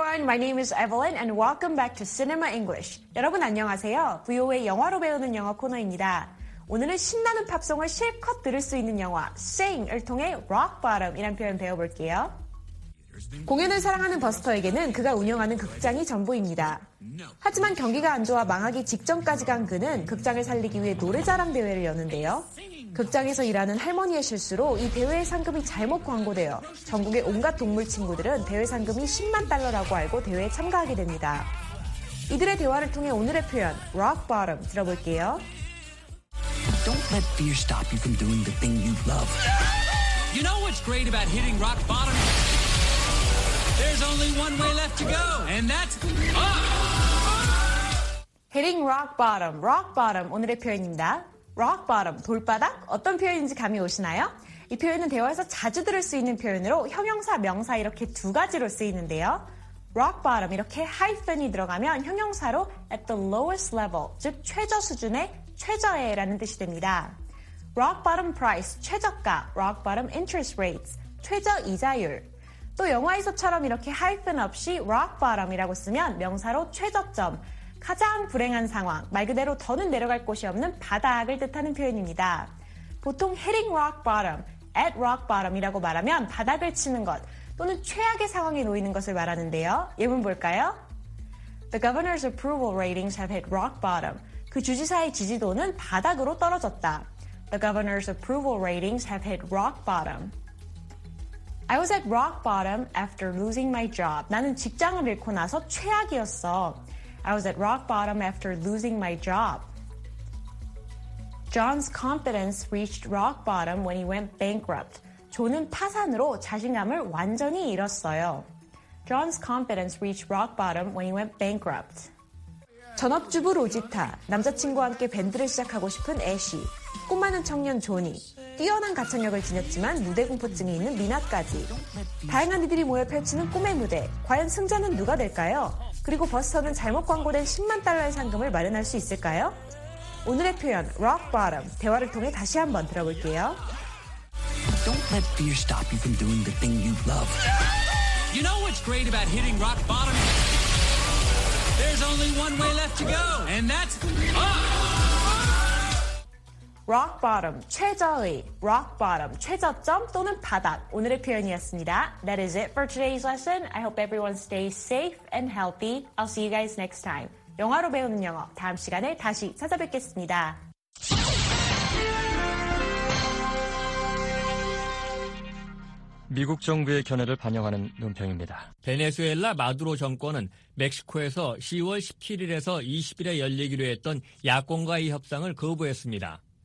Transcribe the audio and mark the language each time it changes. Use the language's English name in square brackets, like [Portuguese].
[English] My name is Evelyn and welcome back to Cinema English. [Korean] 여러분 안녕하세요. VOA 영화로 배우는 영어 코너입니다. 오늘은 신나는 팝송을 실컷 들을 수 있는 영화 Sing을 통해 Rock Bottom이란 표현 배워볼게요. 공연을 사랑하는 버스터에게는 그가 운영하는 극장이 전부입니다. 하지만 경기가 안 좋아 망하기 직전까지 간 그는 극장을 살리기 위해 노래자랑 대회를 여는데요. 극장에서 일하는 할머니의 실수로 이 대회의 상금이 잘못 광고되어 전국의 온갖 동물 친구들은 대회 상금이 10만 달러라고 알고 대회에 참가하게 됩니다. 이들의 대화를 통해 오늘의 표현 Rock Bottom 들어볼게요. [English] Don't let fear stop you from doing the thing you love. You know what's great about hitting rock bottom? There's only one way left to go, and that's up! Hitting rock bottom, rock bottom, [Korean] 오늘의 표현입니다. Rock bottom, 돌바닥, 어떤 표현인지 감이 오시나요? 이 표현은 대화에서 자주 들을 수 있는 표현으로 형용사, 명사 이렇게 두 가지로 쓰이는데요. Rock bottom, 이렇게 hyphen이 들어가면 형용사로 [English] at the lowest level, [Korean] 즉 최저 수준의 최저에라는 뜻이 됩니다. [English] Rock bottom price, [Korean] 최저가, [English] rock bottom interest rates, [Korean] 최저 이자율. 또 영화에서처럼 이렇게 hyphen 없이 rock bottom이라고 쓰면 명사로 최저점, 가장 불행한 상황, 말 그대로 더는 내려갈 곳이 없는 바닥을 뜻하는 표현입니다. 보통 hitting rock bottom, at rock bottom이라고 말하면 바닥을 치는 것 또는 최악의 상황에 놓이는 것을 말하는데요. 예문 볼까요? [English] The governor's approval ratings have hit rock bottom. [Korean] 그 주지사의 지지도는 바닥으로 떨어졌다. [English] The governor's approval ratings have hit rock bottom. I was at rock bottom after losing my job. [Korean] 나는 직장을 잃고 나서 최악이었어. [English] I was at rock bottom after losing my job. John's confidence reached rock bottom when he went bankrupt. [Korean] 존은 파산으로 자신감을 완전히 잃었어요. [English] John's confidence reached rock bottom when he went bankrupt. [Korean] 전업주부 로지타, 남자친구와 함께 밴드를 시작하고 싶은 애쉬, 꿈 많은 청년 조니, 뛰어난 가창력을 지녔지만 무대 공포증이 있는 미나까지. 다양한 이들이 모여 펼치는 꿈의 무대, 과연 승자는 누가 될까요? 그리고 버스터는 잘못 광고된 10만 달러의 상금을 마련할 수 있을까요? 오늘의 표현, rock bottom, 대화를 통해 다시 한번 들어볼게요. [English] Don't let fear stop you from doing the thing you love. You know what's great about hitting rock bottom? There's only one way left to go, and that's up! [Korean] Rock bottom, 최저의, rock bottom, 최저점 또는 바닥, 오늘의 표현이었습니다. [English] That is it for today's lesson. I hope everyone stays safe and healthy. I'll see you guys next time. [Korean] 영화로 배우는 영어, 다음 시간에 다시 찾아뵙겠습니다. 미국 정부의 견해를 반영하는 논평입니다. 베네수엘라 마두로 정권은 멕시코에서 10월 17일에서 20일에 열리기로 했던 야권과의 협상을 거부했습니다.